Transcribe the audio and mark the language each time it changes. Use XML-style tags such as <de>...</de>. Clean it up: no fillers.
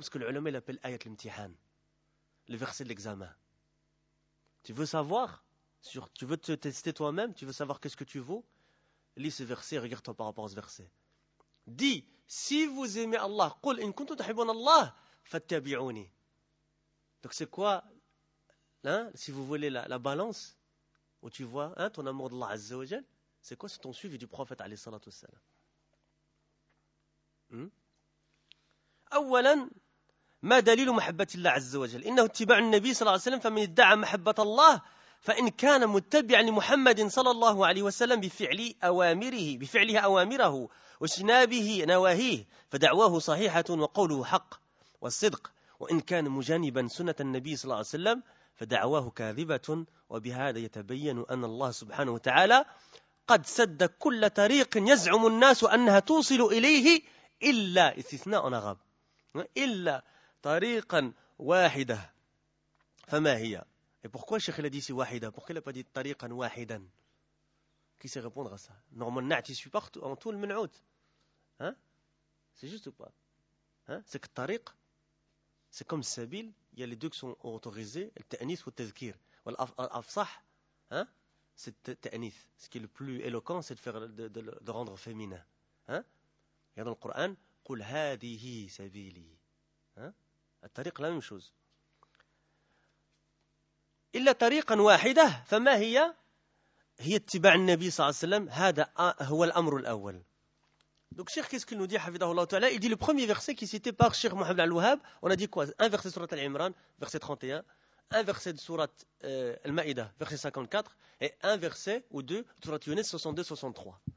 <fr>Parce que l'ulama l'appelle ayat l'imtihan, le verset de l'examen. Tu veux savoir? Tu veux te tester toi-même? Tu veux savoir qu'est-ce que tu vaux? Lis ce verset, regarde-toi par rapport à ce verset. Dis, si vous aimez Allah,</fr> <ar>قُلْ إِنْ كُنْتُمْ تُحِبُّونَ اللَّهَ فَاتَّبِعُونِي.</ar> <fr>Donc c'est quoi, si vous voulez la balance, où tu vois ton amour d'Allah Azza wa Jal, c'est quoi? C'est ton suivi du prophète, alayhi salatu wassalam.</fr> <ar>أولاً, ما دليل محبة الله عز وجل؟ إنه اتباع النبي صلى الله عليه وسلم فمن ادعى محبة الله فإن كان متبعا لمحمد صلى الله عليه وسلم بفعلها أوامره واجتنابه نواهيه فدعواه صحيحة وقوله حق والصدق وإن كان مجانبا سنة النبي صلى الله عليه وسلم فدعواه كاذبة وبهذا يتبين أن الله سبحانه وتعالى قد سد كل طريق يزعم الناس أنها توصل إليه إلا استثناء نغب إلا طريقا واحدة فما هي؟</ar> <fr>Et pourquoi le Cheikh l'a dit si wahida? Pourquoi il n'a pas dit tariqan wahidan? Qui sait répondre à ça? Normalement, na'at, il suit partout, en tout le men'out. C'est juste ou pas? C'est que tariq, c'est comme sabil, il y a les deux qui sont autorisés, le ta'anis ou le tazkir. L'afsah, c'est le ta'anis. Ce qui est le plus éloquent, c'est de rendre féminin. Il y a dans le Coran, qu'il hadihi sabili. Le tariq, la même chose.</fr> <ar>إلا طريقا واحدة فما هي؟ هي اتباع النبي صلى الله عليه وسلم هذا هو الأمر الأول.</ar> <fr>Donc Cheikh, qu'est-ce qu'il nous dit,</fr> <ar>حفظه الله تعالى؟</ar> <fr>Il dit le premier verset qui est cité par Cheikh Mohamed Al-Wahhab. On a dit quoi? Un verset de Sourate Al-Imran, verset 31. Un verset de Sourate Al-Ma'idah, verset 54. Et un verset ou deux de Sourate Younes, 62-63.</fr>